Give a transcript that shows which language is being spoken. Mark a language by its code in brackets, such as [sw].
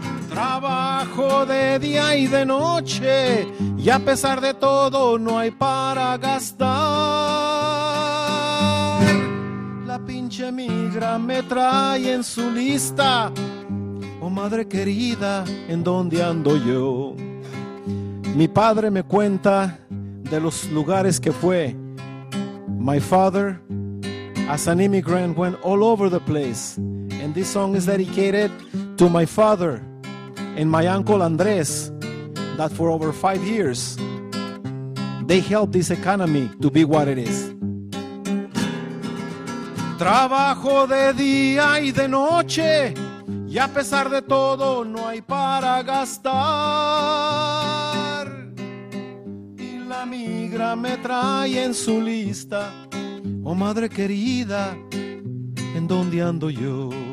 [es] Trabajo de día y de noche, y a pesar de todo no hay para gastar. La pinche migra me trae en su lista. Oh madre querida, ¿en dónde ando yo? Mi padre me cuenta de los lugares que fue. [en] My father, as an immigrant, went all over the place. And this song is dedicated to my father and my uncle Andres, that for over 5 years, they helped this economy to be what it is. [es] Trabajo de día y de noche, y a pesar de todo no hay para gastar. Y la migra me trae en su lista, oh madre querida, ¿en dónde ando yo?